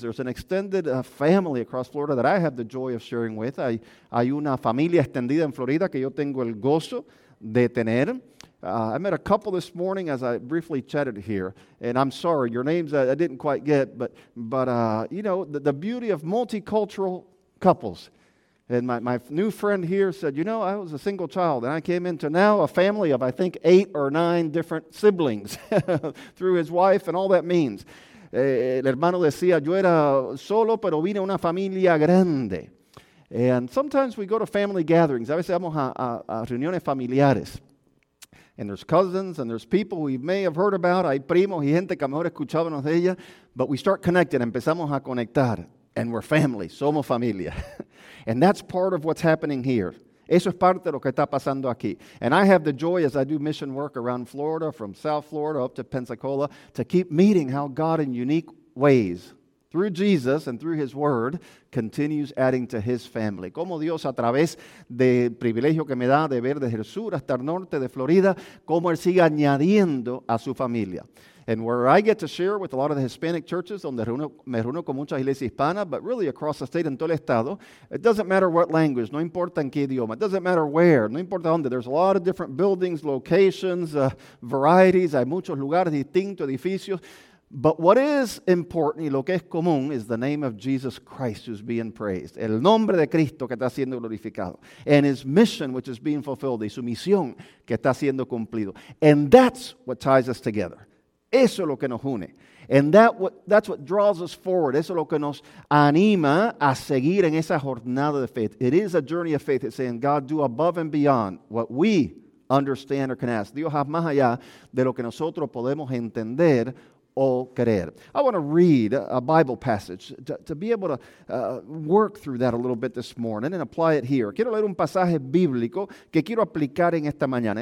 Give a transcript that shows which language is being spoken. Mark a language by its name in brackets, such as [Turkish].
[English] There's an extended family across Florida that I have the joy of sharing with. [Spanish] Hay una familia extendida en Florida que yo tengo el gozo de tener. [English] I met a couple this morning as I briefly chatted here. And I'm sorry, your names I didn't quite get. But the beauty of multicultural couples. And my new friend here said, you know, I was a single child, and I came into now a family of, I think, 8 or 9 different siblings through his wife and all that means. [Spanish] El hermano decía, yo era solo, pero vine una familia grande. [English] And sometimes we go to family gatherings. [Spanish] A veces vamos a reuniones familiares. [English] And there's cousins, and there's people we may have heard about. [Spanish] Hay primos y gente que mejor escuchábamos de ella. [English] But we start connecting. [Spanish] Empezamos a conectar. [English] And we're family, [Spanish] somos familia. [English] And that's part of what's happening here. [Spanish] Eso es parte de lo que está pasando aquí. [English] And I have the joy as I do mission work around Florida, from South Florida up to Pensacola, to keep meeting how God in unique ways, through Jesus and through his word, continues adding to his family. [Spanish] Como Dios a través del privilegio que me da de ver desde el sur hasta el norte de Florida, como él sigue añadiendo a su familia. [English] And where I get to share with a lot of the Hispanic churches, [Spanish] donde me reúno con muchas iglesias hispanas, [English] but really across the state, [Spanish] en todo el estado, [English] it doesn't matter what language, [Spanish] no importa en qué idioma, [English] it doesn't matter where, [Spanish] no importa dónde, [English] there's a lot of different buildings, locations, varieties, [Spanish] hay muchos lugares distintos, edificios, [English] but what is important [Spanish] y lo que es común [English] is the name of Jesus Christ who's being praised, [Spanish] el nombre de Cristo que está siendo glorificado, [English] and his mission which is being fulfilled, [Spanish] y su misión que está siendo cumplido, [English] and that's what ties us together. [Spanish] Eso es lo que nos une. [English] And that's what draws us forward. [Spanish] Eso es lo que nos anima a seguir en esa jornada de fe. [English] It is a journey of faith. It's saying, God, do above and beyond what we understand or can ask. [Spanish] Dios haz más allá de lo que nosotros podemos entender o creer. [English] I want to read a Bible passage to be able to work through that a little bit this morning and apply it here. [Spanish] Quiero leer un pasaje bíblico que quiero aplicar en esta mañana.